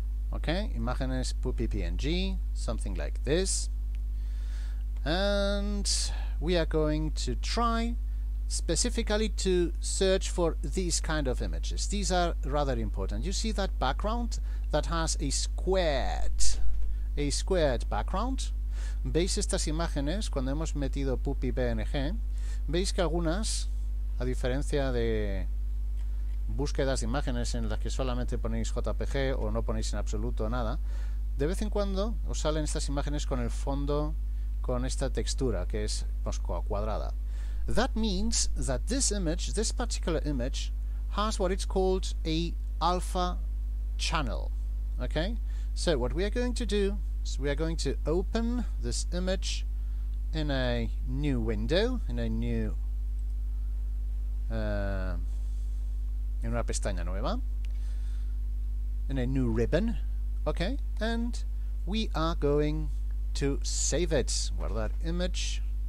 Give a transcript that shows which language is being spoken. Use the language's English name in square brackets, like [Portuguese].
[English] Okay, imágenes puppy PNG, something like this. And we are going to try specifically to search for these kind of images. These are rather important. You see that background that has a squared background? [Spanish] ¿Veis estas imágenes cuando hemos metido puppy PNG? ¿Veis que algunas, a diferencia de búsquedas de imágenes en las que solamente ponéis JPG o no ponéis en absoluto nada, de vez en cuando os salen estas imágenes con el fondo con esta textura que es cuadrada? [English] That means that this image, this particular image, has what it's called a alpha channel. Okay? So what we are going to do is we are going to open this image in a new window, in a new in [Spanish] una pestaña nueva, [English] in a new ribbon, okay, and we are going to save it, guardar image,